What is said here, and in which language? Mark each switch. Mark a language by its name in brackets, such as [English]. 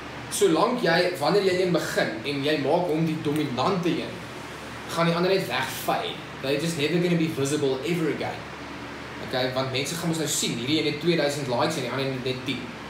[Afrikaans] Solank jy, wanneer jy een begin, en jy maak om die dominante een, gaan die ander net wegvy. [English] They just never going to be visible ever again. [Afrikaans] Okay, want mense gaan ons nou sien, hierdie een het 2000 likes en die ander een het 10.